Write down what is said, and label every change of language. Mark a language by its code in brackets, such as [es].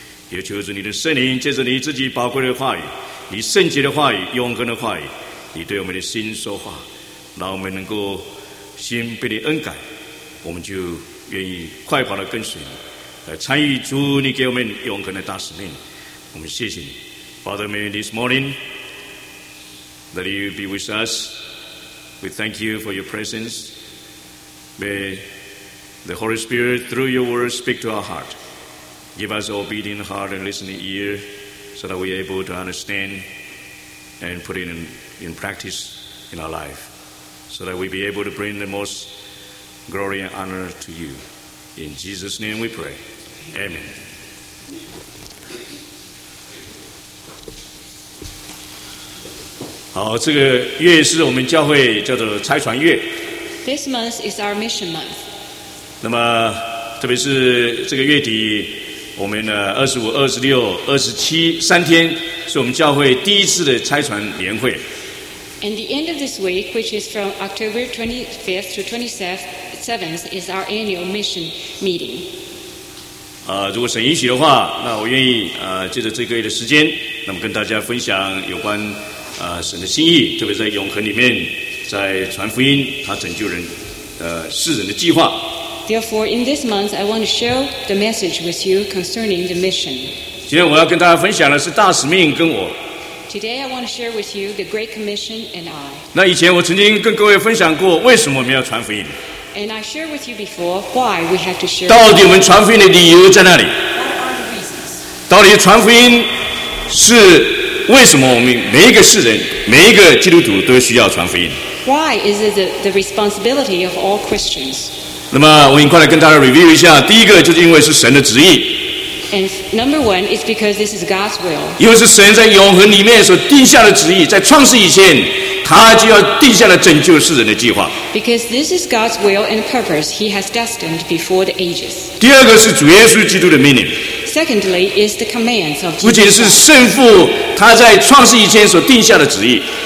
[zh] 也求主你的圣灵借着你自己宝贵的话语，你圣洁的话语，永恒的话语，你对我们的心说话，让我们能够心被你恩感，我们就愿意快跑的跟随你，来参与主你给我们永恒的大使命。我们谢谢你 [en] Father, may this morning that you be with us. We thank you for your presence. May the Holy Spirit through your word speak to our heart. Give us obedient heart and listening ear so that we are able to understand and put it in practice in our life so that we be able to bring the most glory and honor to you. In Jesus' name we pray. Amen. This month is our mission month. [zh] 那么，特别是这个月底，我们呢，25、26、27，3天，是我们教会第一次的拆船联会。 [en] And the end of this week, which is from October 25th to 27th, is our annual mission meeting. [zh] 如果神允许的话，那我愿意借着这个月的时间，那么跟大家分享有关。神的心意，特别在永恒里面，在传福音，他拯救人，世人的计划。 [en] Therefore, in this month, I want to share the message with you concerning the mission. [zh] 今天我要跟大家分享的是大使命跟我。 [en] Today, I want to share with you the Great Commission and I. [zh] 那以前我曾经跟各位分享过，为什么我们要传福音 [en] ？And I shared with you before why we have to share. [zh] 到底我们传福音的理由在哪里 [en] ？What are the reasons? [zh] 到底传福音是？为什么我们每一个世人每一个基督徒都需要传福音 [en] Why is it the responsibility of all Christians? [zh] 那么我很快来跟大家 review 一下第一个就是因为是神的旨意 [en] And number one is because this is God's will [zh] 因为是神在永恒里面所定下的旨意在创世以前他就要定下了拯救世人的计划 [en] Because this is God's will and purpose he has destined before the ages [zh] 第二个是主耶稣基督的命令 [en] Secondly, is the commands of Jesus. [zh] 不仅是圣父他在创世以前所定下的旨意